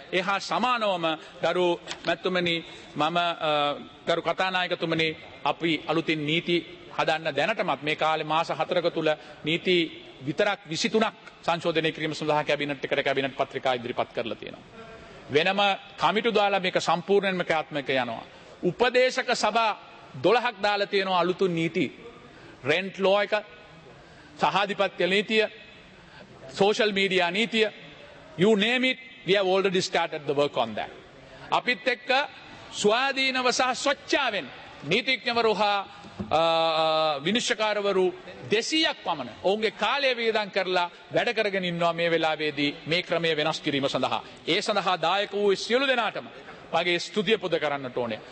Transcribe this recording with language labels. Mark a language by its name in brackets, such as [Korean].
[Sinhala] ඒ හා සමානවම ගරු මැතිතුමනි, මම ගරු කතානායකතුමනි, අපි අලුතින් නීති හදන්න දැනටමත් මේ කාලේ මාස 4ක තුල නීති විතරක් 23ක් සංශෝධනය කිරීම සඳහා කැබිනට් එකට කැබිනට් පත්‍රිකා ඉදිරිපත් කරලා තියෙනවා. වෙනම කමිටු දාලා මේක සම්පූර්ණයෙන්ම ක්‍රියාත්මක යනවා. උපදේශක සභා 12ක් දාලා තියෙනවා අලුතින් නීති. රෙන්ට් ලෝ එක, සහාධිපත්‍ය නීතිය, සෝෂල් මීඩියා නීතිය, [English] you name it, we have already started the work on that. [Sinhala] අපිත් එක්ක ස්වාධීනව සහ ස්වච්ඡාවෙන් නීතිඥවරු හා විනිශ්චකාරවරු 200ක් පමණ ඔවුන්ගේ කාලය වියදම් කරලා වැඩ කරගෙන ඉන්නවා මේ වෙලාවේදී මේ ක්‍රමය වෙනස් කිරීම සඳහා. ඒ සඳහා දායක වූ සියලු දෙනාටම මගේ ස්තුතිය පුද කරන්නට ඕනේ.